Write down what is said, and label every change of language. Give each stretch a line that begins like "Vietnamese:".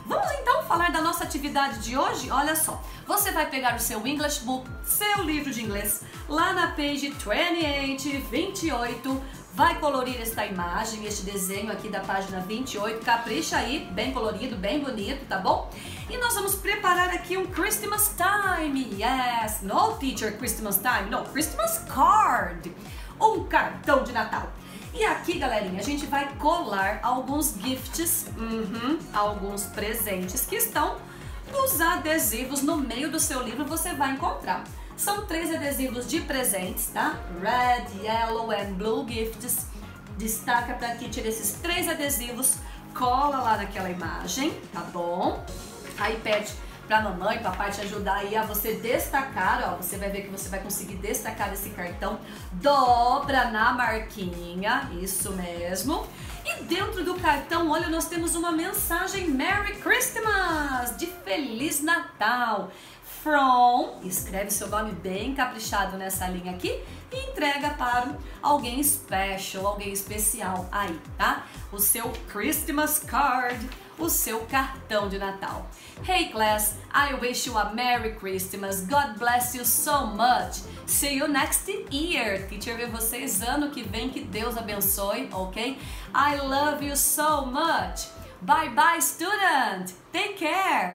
Portuguese: Vamos então falar da nossa atividade de hoje? Olha só, você vai pegar o seu
English: English Book,
Portuguese: seu livro de inglês, lá na
English: page 28,
Portuguese: 28, vai colorir esta imagem, este desenho aqui da página 28, capricha aí, bem colorido, bem bonito, tá bom? E nós vamos preparar aqui um
English: Christmas time, yes! No, teacher, Christmas time, no, Christmas card!
Portuguese: Um cartão de Natal! E aqui, galerinha, a gente vai colar alguns gifts, alguns presentes que estão nos adesivos no meio do seu livro, você vai encontrar. São três adesivos de presentes, tá?
English: Red, yellow and blue gifts.
Portuguese: Destaca pra ti, tira esses três adesivos, cola lá naquela imagem, tá bom? Aí pede pra mamãe, papai te ajudar aí a você destacar, ó. Você vai ver que você vai conseguir destacar esse cartão. Dobra na marquinha, isso mesmo. E dentro do cartão, olha, nós temos uma mensagem:
English: Merry Christmas!
Portuguese: De Feliz Natal. From, escreve seu nome bem caprichado nessa linha aqui e entrega para alguém special, alguém especial aí, tá? O seu Christmas card. O seu cartão de Natal.
English: Hey class, I wish you a Merry Christmas. God bless you so much. See you next year.
Portuguese: Teacher, ver vocês ano que vem, que Deus abençoe, ok?
English: I love you so much. Bye bye, student. Take care.